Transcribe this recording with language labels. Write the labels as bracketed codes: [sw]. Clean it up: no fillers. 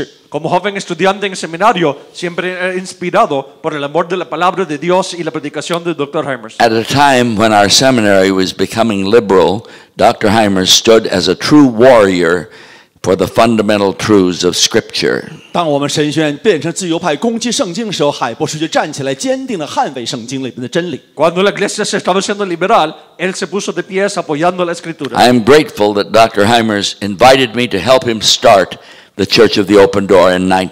[es] Como joven estudiante en seminario, siempre inspirado por el amor de la palabra de Dios y la predicación de Dr. Hymers. [en] At a time when our seminary was becoming liberal, Dr. Hymers stood as a true warrior for the fundamental truths of Scripture. [zh] 当我们神学院变成自由派攻击圣经的时候，海博士就站起来坚定地捍卫圣经里面的真理。 [es] Cuando la iglesia se estaba siendo liberal, él se puso de pies apoyando la escritura. [en] I am grateful that Dr. Hymers invited me to help him start the Church of the Open Door in